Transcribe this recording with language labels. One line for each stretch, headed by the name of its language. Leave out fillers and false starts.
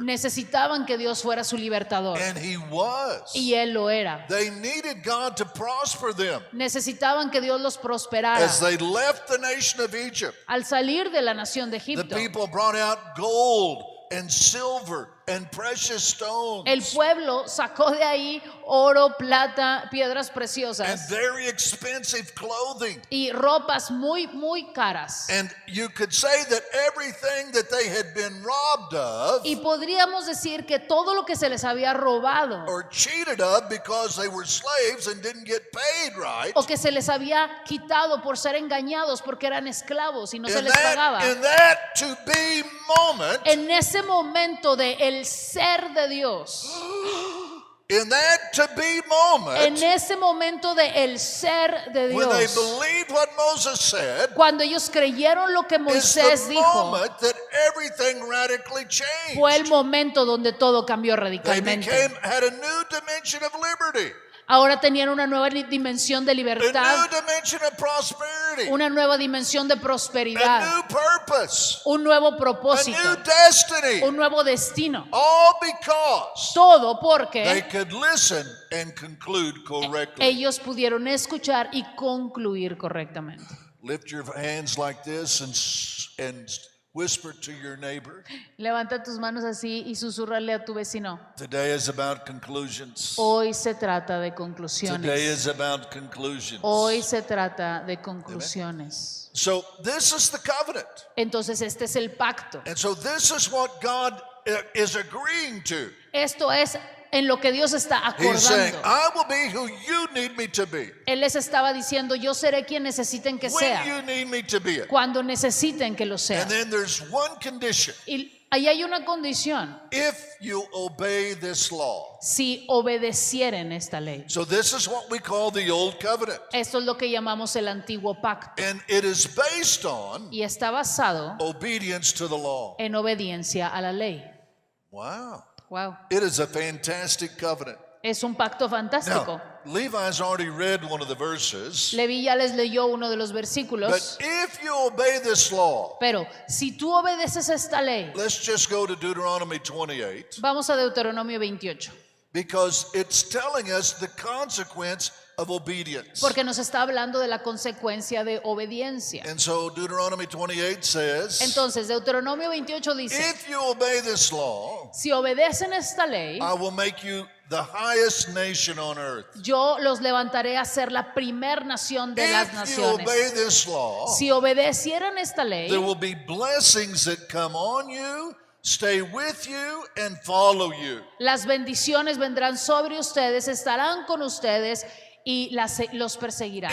Spanish: Necesitaban que Dios fuera su libertador.
English: And he was.
Spanish: Y él lo era.
English: They needed God to prosper them.
Spanish: Necesitaban que Dios los prosperara.
English: As they left the nation of Egypt,
Spanish: al salir de la nación de Egipto,
English: the people brought out gold and silver and precious stones.
Spanish: El pueblo sacó de ahí oro, plata, piedras preciosas.
English: And very expensive clothing.
Spanish: Y ropas muy, muy caras.
English: And you could say that everything that they had been robbed of.
Spanish: Y podríamos decir que todo lo que se les había robado.
English: Or cheated of because they were slaves and didn't get paid right.
Spanish: O que se les había quitado por ser engañados porque eran esclavos y no se les pagaba.
English: In that to be moment.
Spanish: En ese momento de el ser de Dios.
English: In that to be moment,
Spanish: en ese momento de el ser de Dios,
English: when they believed what Moses said,
Spanish: cuando ellos creyeron lo que Moisés dijo,
English: moment that everything radically changed.
Spanish: Fue el momento donde todo cambió radicalmente.
English: They became, had a new dimension of liberty.
Spanish: Ahora tenían una nueva dimensión de libertad,
English: a new dimension of prosperity,
Spanish: una nueva dimensión de prosperidad,
English: a new purpose,
Spanish: un nuevo propósito,
English: a new destiny,
Spanish: un nuevo destino.
English: All because
Spanish: todo porque
English: they could listen and conclude correctly.
Spanish: Ellos pudieron escuchar y concluir correctamente.
English: Lift your hands like this and whisper to your neighbor.
Spanish: Levanta tus manos así y susurrale a tu vecino.
English: Today is about conclusions.
Spanish: Hoy se trata de conclusiones.
English: Today is about conclusions.
Spanish: Hoy se trata de conclusiones.
English: So this is the covenant.
Spanish: Entonces este es el pacto.
English: And so this is what God is agreeing to.
Spanish: Esto es en lo que Dios está acordando.
English: He's saying, I will be who you need me to be.
Spanish: Él les estaba diciendo, yo seré quien necesiten que sea.
English: When you need me to be it.
Spanish: Cuando necesiten que lo sea.
English: And then there's one condition.
Spanish: Y ahí hay una condición.
English: If you obey this law.
Spanish: Si obedecieren esta ley.
English: So this is what we call the old covenant.
Spanish: Esto es lo que llamamos el antiguo pacto.
English: And it is based on.
Spanish: Y está basado.
English: Obedience to the law.
Spanish: En obediencia a la ley. Wow. Wow.
English: It is a fantastic covenant.
Spanish: Es un pacto fantástico.
English: Now, Levi's already read one of the verses.
Spanish: Levi ya les leyó uno de los versículos.
English: But if you obey this law.
Spanish: Pero si tú obedeces esta ley.
English: Let's just go to Deuteronomy 28.
Spanish: Vamos a Deuteronomio 28.
English: Because it's telling us the consequence of obedience.
Spanish: Porque nos está hablando de la consecuencia de obediencia.
English: And so Deuteronomy 28 says.
Spanish: Entonces Deuteronomio 28 dice.
English: If you obey this law.
Spanish: Si obedecen esta ley.
English: I will make you the highest nation on earth.
Spanish: Yo los levantaré a ser la primer nación de las naciones.
English: If you obey this law.
Spanish: Si obedecieran esta ley.
English: There will be blessings that come on you. Stay with you and follow you.
Spanish: Las bendiciones vendrán sobre ustedes, estarán con ustedes y los perseguirán.